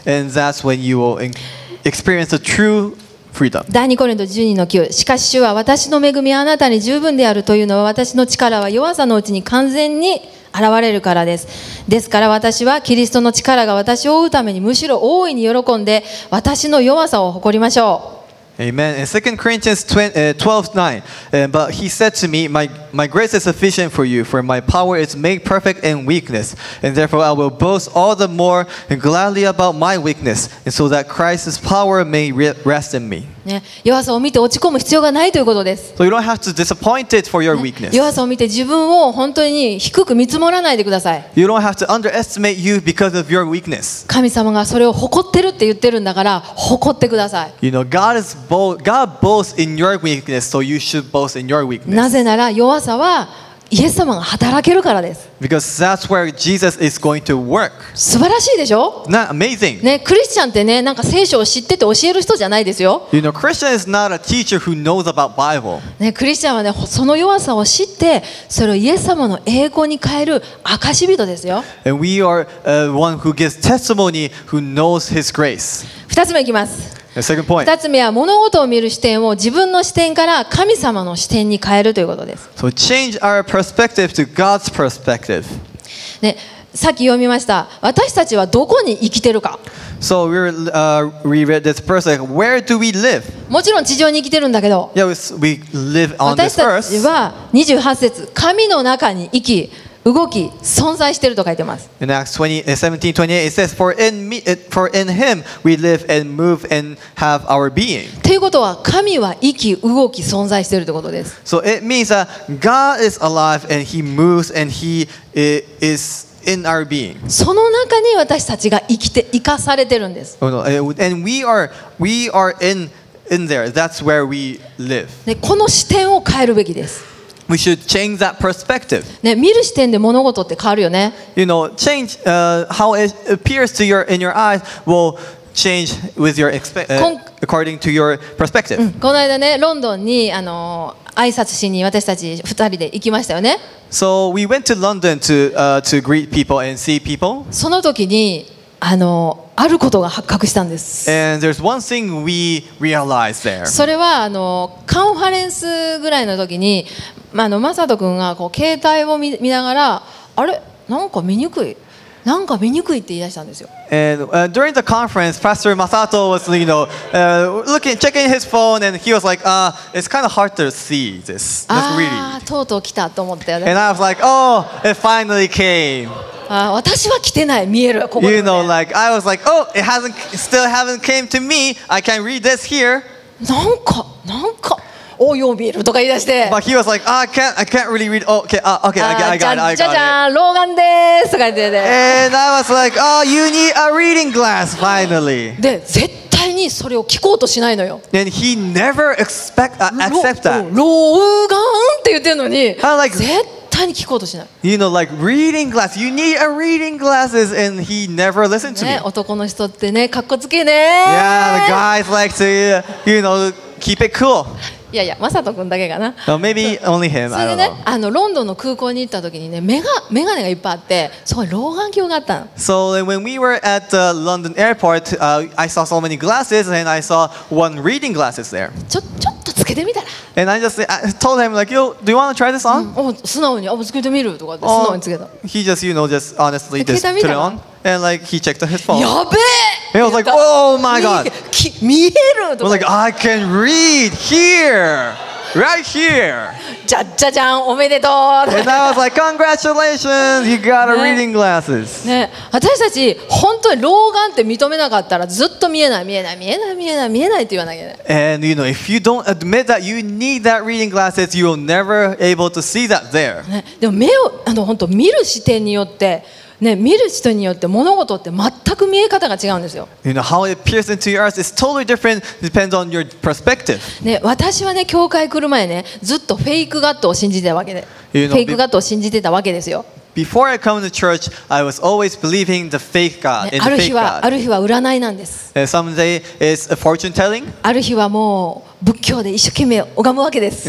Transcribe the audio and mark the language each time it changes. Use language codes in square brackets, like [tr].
[en] And that's when you will experience the true freedom. [ja] 第二コリント十二の九。しかし主は私の恵みはあなたに十分であるというのは私の力は弱さのうちに完全に現れるからです。ですから私はキリストの力が私を追うためにむしろ大いに喜んで私の弱さを誇りましょう。 [en] Amen. And 2 Corinthians 12:9. But he said to me, My grace is sufficient for you, for my power is made perfect in weakness. And therefore I will boast all the more gladly about my weakness, and so that Christ's power may rest in me.、 [ja] ね、弱さを見て落ち込む必要がないということです。 [en] So you don't have to be disappointed for your weakness.、 [ja] ね、弱さを見て自分を本当に低く見積もらないでください。 [en] You don't have to underestimate you because of your weakness. [ja] 神様がそれを誇ってるって言ってるんだから誇ってください。 [en] You know, God boasts in your weakness, so you should boast in your weakness. [ja] なぜなら弱さはイエス様が働けるからです。 [en] Because that's where Jesus is going to work. [ja] 素晴らしいでしょ？ [en] Not amazing. [ja] ね、クリスチャンってね、なんか聖書を知ってて教える人じゃないですよ。 [en] You know, Christian is not a teacher who knows about Bible. [ja] ね、クリスチャンはね、その弱さを知って、それをイエス様の栄光に変える証人ですよ。 [en] And we are one who gives testimony who knows His grace. [ja] 二つ目いきます。 [en] Second point. [ja] 二つ目は物事を見る視点を自分の視点から神様の視点に変えるということです。 [en] So change our perspective to God's perspective. [ja] ね、さっき読みました。私たちはどこに生きてるか。 [en] So we read this verse. Like, where do we live? [ja] もちろん地上に生きてるんだけど。 [en] Yeah, we live on this earth. [ja] 私たちは28節、神の中に生き。動き存在していると書いてます。 [en] In Acts 17:28 it says, for in Him we live and move and have our being. [ja] ということは神は生き動き存在しているということです。 [en] So it means that God is alive and He moves and He is in our being. [ja] その中に私たちが生きて生かされてるんです。 [en] Oh no, and we are in there. That's where we live. [ja] でこの視点を変えるべきです。 [en] We should change that perspective. [ja] ね、見る視点で物事って変わるよね。 [en] You know, change how it appears to your in your eyes will change with your according to your perspective.、 [ja] うん、この間ね、ロンドンに挨拶しに私たち2人で行きましたよね。 [en] So we went to London to greet people and see people. [ja] その時にあることが発覚したんです。 [en] And there's one thing we realized there. [ja] それはカンファレンスぐらいの時に。まあ、マサト君がこう携帯を見ながら、あれなんか見にくい、なんか見にくいって言い出したんですよ。 [en] And during the conference, Pastor Masato was, you know, checking his phone, and he was like, it's kind of hard to see this. That's really. [ja] ああ、とうとう来たと思って。 [en] And I was like, oh, it finally came. [ja] ああ、私は来てない。見える。ここで。 [en] You know, like I was like, oh, it hasn't, still haven't came to me. I can read this here. [ja] なんか、なんか。およびるとか言い出して。 [en] But he was like,、oh, I can't really read. Oh, okay, I got it. [ja] じゃじゃん、老眼ですとか言ってて。 [en] And I was like, oh, you need a reading glass finally. [ja] で、絶対にそれを聞こうとしないのよ。 [en] And he never accept that. [ja] 老眼って言ってんのに。絶対に聞こうとしない。 [en] You know, like reading glass. You need a reading glasses, and he never listened to me. [ja] ね、男の人ってね、かっこつけね。 [en] Yeah, the guys like to, you know, keep it cool. [ja] いやいや、マサト君だけかな。 [en] Maybe only him. [ja] それでね、あのロンドンの空港に行った時にね、メガネがいっぱいあって、すごい老眼鏡があったの。 [en] So when we were at the London airport, I saw so many glasses and I saw one reading glasses there. [ja] ちょっとつけてみたら。 [en] And I just told him like, yo, do you want to try this on? [ja] お、素直に、あ、つけてみるとかって素直につけた。 [en] He just, you know, just honestly just put it on and like he checked his phone. [ja] やべえ。 [en] And I was like, oh my god. [ja] 見えるとか。 [en] I was like, I can read here. Right here. [ja] じゃじゃじゃん、おめでとう。 [en] And I was like, congratulations, you got a reading glasses. [ja] ね、私たち本当に老眼って認めなかったらずっと見えない、見えない、見えない、見えない、見えないって言わなきゃね。 [en] And you know, if you don't admit that you need that reading glasses, you will never able to see that there. [ja] ね、でも目を、あの本当見る視点によって、ね、見る人によって物事って全く見え方が違うんですよ。 [en] You know, how it appears into your eyes is totally different, depends on your perspective. [ja] ね、私はね、教会来る前ね、ずっとフェイクガッドを信じてたわけで。 [en] You know, [ja] フェイクガッドを信じてたわけですよ。 [en] Before I come to church, I was always believing the fake God, in the fake God. [ja] ある日は占いなんです。 [en] Someday it's a fortune telling. [ja] ある日はもう仏教で一生懸命拝むわけです。